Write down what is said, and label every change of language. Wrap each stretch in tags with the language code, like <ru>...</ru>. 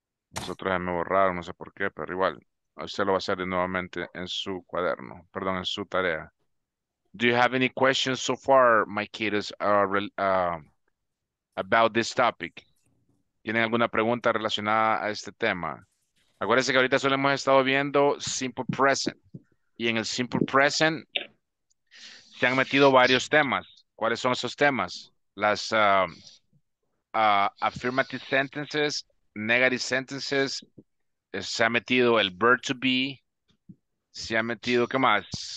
<es>Nosotros ya me borraron, no sé por qué, pero igual. Usted lo va a hacer nuevamente en su cuaderno. Perdón, en su tarea.</es> <en>Do you have any questions so far, my kids, about this topic?</en> <es>¿Tienen alguna pregunta relacionada a este tema? Acuérdense que ahorita solo hemos estado viendo Simple Present. Y en el Simple Present se han metido varios temas. ¿Cuáles son esos temas? Las affirmative sentences, negative sentences, se ha metido el verb to be, se ha metido, ¿qué más?</es>